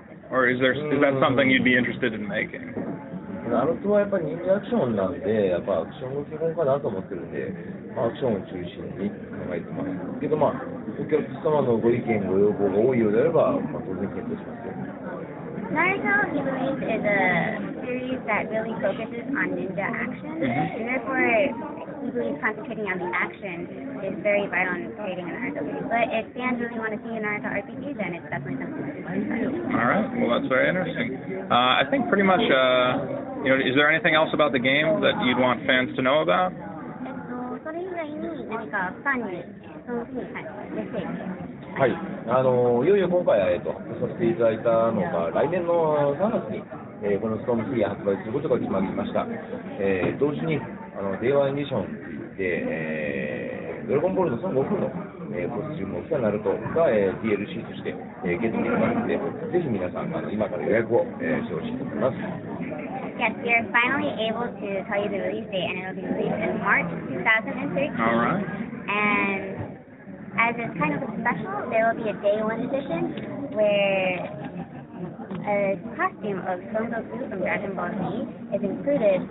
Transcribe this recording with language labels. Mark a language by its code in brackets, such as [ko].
[en] Or is there, is that something you'd be interested in making? [ja] Naruto はやっぱり人気アクションなんで、やっぱアクションが基本かなと思ってるんで、アクションを中心に考えてます。けどまあ、お客様のご意見、ご要望が多いようであれば、まあ、当然検討しますよ。 [en] Naruto, he believes, is a series that really focuses on ninja action, and therefore, he believes concentrating on the action is very vital in creating an Naruto game. But if fans really want to see a Naruto RPG, then it's definitely something that's fun. All right, well, that's very interesting. I think pretty much, you know, is there anything else about the game that you'd want fans to know about? [ja] それ以外に何かファンに、そのファンにメッセージ。はい、いよいよ今回、発表させていただいたのが来年の3月に、このストーム3発売することが決まりました。同時にデイワンエディションといって、ドラゴンボールの孫悟空のコスチュームを着たナルトが、DLC として、ゲットできますので、ぜひ皆さん今から予約を、してほしいと思います。 [en] Yes, we are finally able to tell you the release date, and it will be released in March 2013. All right. AndAs it's kind of a special, there will be a day one edition where a costume of Son Goku from Dragon Ball Z is included.